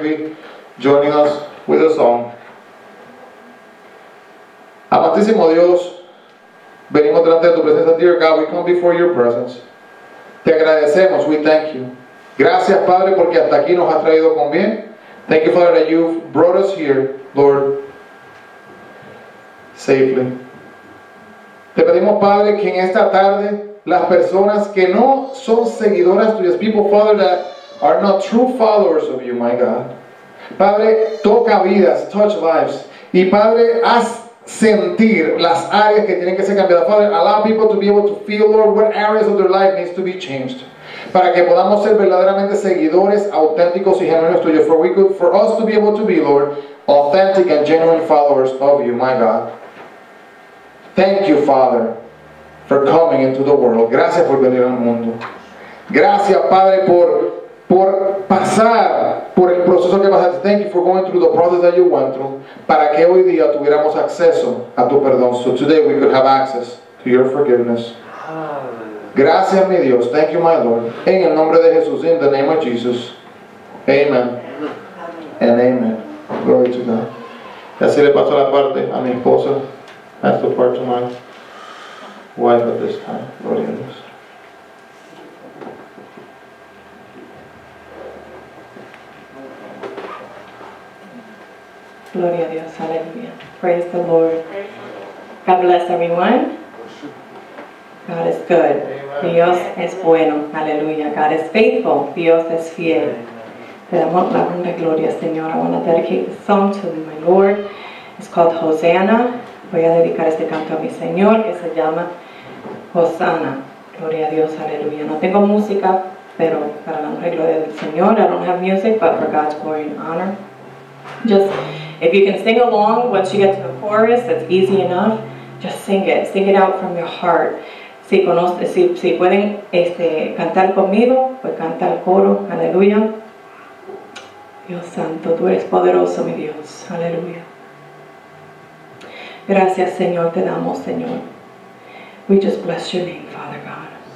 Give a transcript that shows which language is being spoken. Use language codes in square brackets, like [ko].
[en] be joining us with a song. [es] Amantísimo Dios, venimos delante de tu presencia, [en] dear God, we come before your presence. [es] Te agradecemos, [en] we thank you. [es] Gracias, Padre, porque hasta aquí nos has traído con bien. [en] Thank you, Father, that you've brought us here, Lord, safely. [es] Te pedimos, Padre, que en esta tarde las personas que no son seguidoras tuyas, [en] people, Father, that are not true followers of you, my God. [es] Padre, toca vidas, [en] touch lives. [es] Y Padre, haz sentir las áreas que tienen que ser cambiadas. [en] Father, allow people to be able to feel, Lord, what areas of their life needs to be changed. [es] Para que podamos ser verdaderamente seguidores auténticos y genuinos tuyos. [en] For us to be able to be, Lord, authentic and genuine followers of you, my God. Thank you, Father, for coming into the world. [es] Gracias por venir al mundo. Gracias, Padre, por pasar por el proceso que pasaste. [en] Thank you for going through the process that you went through. [es] Para que hoy día tuviéramos acceso a tu perdón. [en] So today we could have access to your forgiveness. [es] Gracias, mi Dios. [en] Thank you, my Lord. [es] En el nombre de Jesús. [en] In the name of Jesus. Amen. And amen. Glory to God. [es] Y así le paso la parte a mi esposa. [en] That's the part to my wife at this time. Glory to God. [es] Gloria a Dios, aleluya. [en] Praise the Lord. God bless everyone. God is good. [es] Dios es bueno. Aleluya. [en] God is faithful. [es] Dios es fiel. Te damos la honra y gloria, Señor. [en] I want to dedicate this song to my Lord. It's called Hosanna. [es] Voy a dedicar este canto a mi Señor que se llama Hosanna. Gloria a Dios, aleluya. No tengo música, pero para la honra y gloria del Señor. [en] I don't have music, but for God's glory and honor. Just, if you can sing along once you get to the chorus, that's easy enough. Just sing it. Sing it out from your heart. [es] Si conoce, si pueden cantar conmigo, pues canta el coro. Aleluya. Dios Santo, tú eres poderoso, mi Dios. Aleluya. Gracias, Señor, te damos, Señor. [en] We just bless your name, Father God.